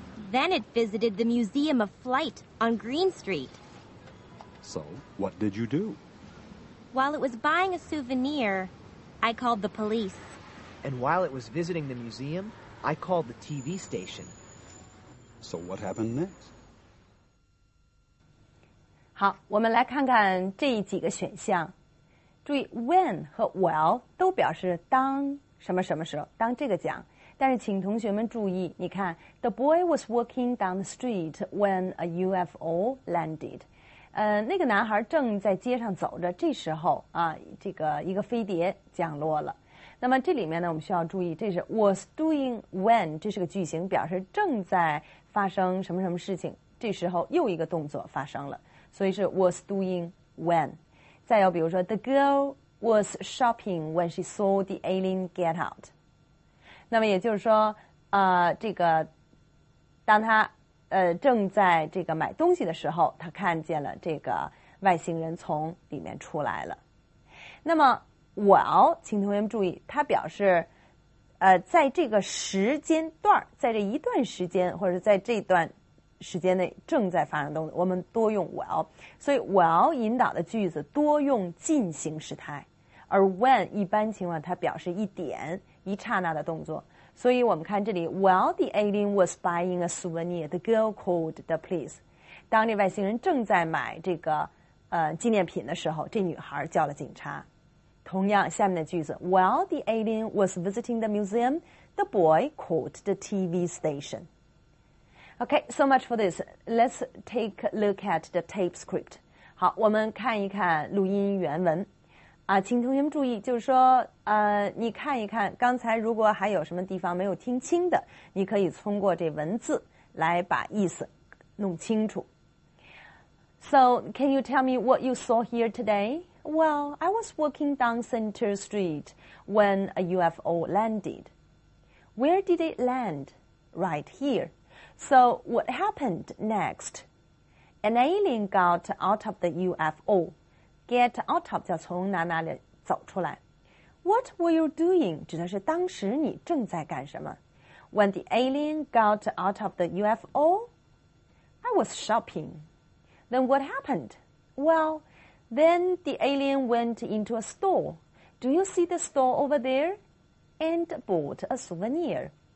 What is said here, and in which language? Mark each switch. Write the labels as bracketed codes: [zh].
[en] Then it visited the Museum of Flight on Green Street. So, what did you do? While it was buying a souvenir, I called the police. And while it was visiting the museum, I called the TV station. So, what happened next? [zh] 好，我们来看看这几个选项。注意 when 和 while 都表示当什么什么时候，当这个讲。但是请同学们注意，你看 [en] ,the boy was walking down the street when a UFO landed. [zh] 那个男孩正在街上走着，这时候啊，这个一个飞碟降落了。那么这里面呢，我们需要注意，这是 [en] was doing when, [zh] 这是个句型，表示正在发生什么什么事情，这时候又一个动作发生了。所以是 [en] was doing when. [zh] 再有比如说 [en] ,the girl was shopping when she saw the alien get out. [zh] 那么也就是说这个当他正在这个买东西的时候，他看见了这个外星人从里面出来了。那么 well, 请同学们注意，它表示在这个时间段，在这一段时间或者在这段时间内正在发生的东西，我们多用 well。所以 well 引导的句子多用进行时态，而 when 一般情况它表示一点一刹那的动作，所以我们看这里 ， [en] While the alien was buying a souvenir, the girl called the police. [zh] 当这外星人正在买这个纪念品的时候，这女孩叫了警察。同样，下面的句子 [en] ，While the alien was visiting the museum, the boy called the TV station. Okay, so much for this. Let's take a look at the tape script. [zh] 好，我们看一看录音原文。啊，请同学们注意，就是说，你看一看，刚才如果还有什么地方没有听清的，你可以通过这文字来把意思弄清楚。 [en] So, can you tell me what you saw here today? Well, I was walking down Center Street when a UFO landed. Where did it land? Right here. So, what happened next? An alien got out of the UFO. Get out of [zh] 叫从哪哪里走出来。 [en] What were you doing? [zh] 指的是当时你正在干什么。 [en] When the alien got out of the UFO, I was shopping. Then what happened? Well, then the alien went into a store. Do you see the store over there? And bought a souvenir.